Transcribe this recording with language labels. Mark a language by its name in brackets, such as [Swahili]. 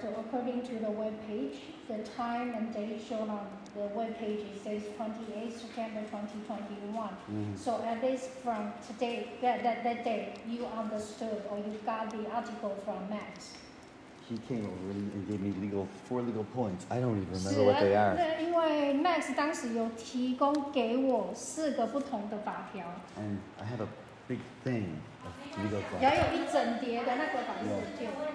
[English] so according to the web page, the time and date shown on the web page says 28 September 2021. Mm-hmm. So at least from today, that day, you understood or you got the article from Max. He came over and gave me four legal points. I don't even remember what they are. [Chinese] 因为 Max 当时有提供给我四个不同的法条. [English] And I have a big thing of legal points. [Chinese] 要有一整叠的那个法条.